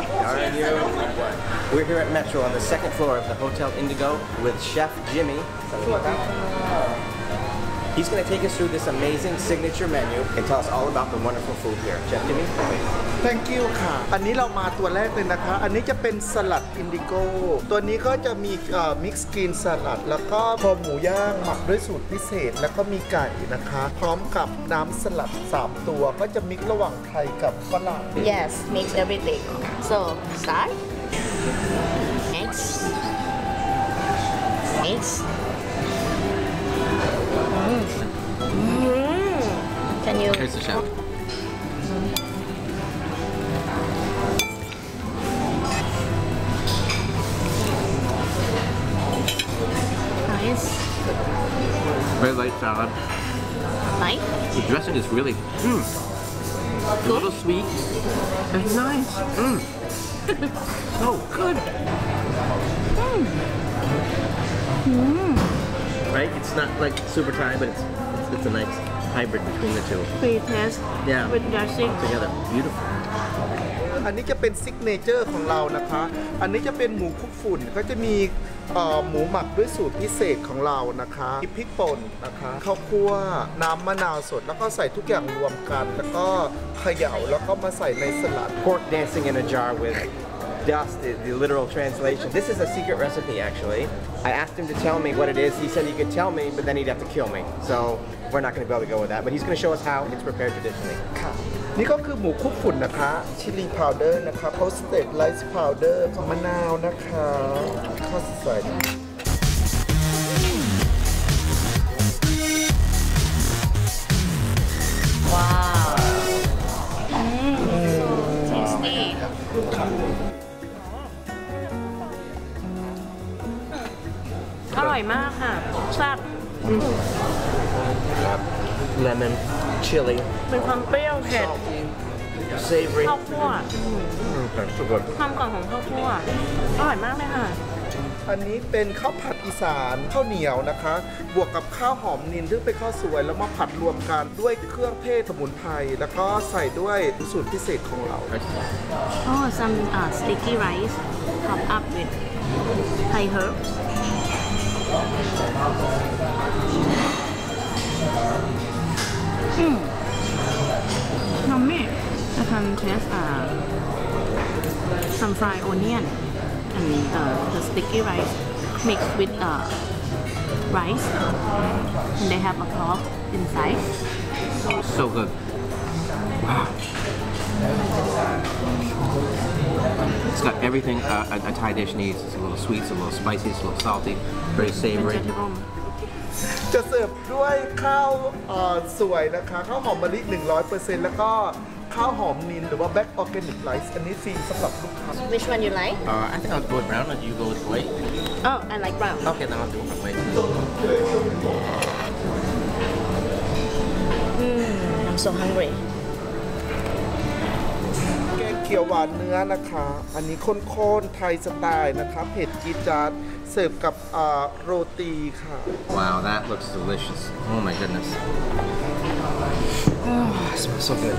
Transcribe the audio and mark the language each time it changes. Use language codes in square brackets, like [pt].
[en] We're here at Metro on the second floor of the Hotel Indigo with Chef Jimmy. He's going to take us through this amazing signature menu and tell us all about the wonderful food here. Chef Jimmy. Thank you [th] ค่ะอันนี้เรามาตัวแรกเลยนะคะอันนี้จะเป็นสลัดอินดิโก้ตัวนี้ก็จะมีมิกซ์กรีนสลัดแล้วก็คอหมูย่างหมักด้วยสูตรพิเศษแล้วก็มีไก่นะคะพร้อมกับน้ำสลัด3ตัวก็จะมิกซ์ระหว่างไทยกับฝรั่ง [en] Yes mix everything so side mix can you here's the chef Very light salad. Light? The dressing is really good. A little sweet. It's nice. So good. Right? It's not like super Thai, but it's a nice hybrid between the two. Sweet taste. Yeah. With dressing. Together. Beautiful. [th] อันนี้จะเป็นซิกเนเจอร์ของเรานะคะอันนี้จะเป็นหมูคุกฝุ่นก็จะมีหมูหมักด้วยสูตรพิเศษของเรานะคะพริกป่นนะคะข้าวคั่วน้ำมะนาวสดแล้วก็ใส่ทุกอย่างรวมกันแล้วก็เขย่าแล้วก็มาใส่ในสลัด [en] Pork dancing in a jar with dust is the literal translation This is a secret recipe actually I asked him to tell me what it is He said he could tell me but then he'd have to kill me So we're not going to be able to go with that But he's going to show us how it's prepared traditionally [th] ค่ะนี่ก็คือหมูคุกฝุ่นนะคะชิลลี่พาวเดอร์นะคะโพสต์เต็ดไลซ์พาวเดอร์มะนาวนะคะข้าวสวย ว้าวอร่อยมากค่ะแซ่บ ครับเลมอนchili เป็นความเปรี้ยวเผ็ด [en] savory [th] ข้าวคั่ว แต่สุกอ่ะ ความกรอบของข้าวคั่วอร่อยมากเลยค่ะ อันนี้เป็นข้าวผัดอีสานข้าวเหนียวนะคะบวกกับข้าวหอมนิลซึ่งเป็นข้าวสวยแล้วมาผัดรวมกันด้วยเครื่องเทศสมุนไพรแล้วก็ใส่ด้วยสูตรพิเศษของเรา [en] โอ้ some sticky rice top up with Thai herbsyummy. I can taste some fried onion and the sticky rice mixed with rice. And they have a cloth inside. So good. Wow. It's got everything a Thai dish needs. It's a little sweet, it's a little spicy, it's a little salty, very savory. [th] จะเสิร์ฟด้วยข้าวสวยนะคะข้าวหอมมะลิ 100% แล้วก็ข้าวหอมนิลหรือว่า [en] Black Organic Rice [th] อันนี้ฟรีสำหรับลูกค้า [en] Which one you like? I think I'll go with brown or do you go with white? Oh, I like brown. Okay, then I'll do white. I'm so hungry. [th] เขียวหวานเนื้อนะคะอันนี้ข้นๆไทยสไตล์นะคะเผ็ดจี๊ดจ๊าดเสิร์ฟกับโรตีค่ะ [en] Wow that looks delicious Oh my goodness smells so good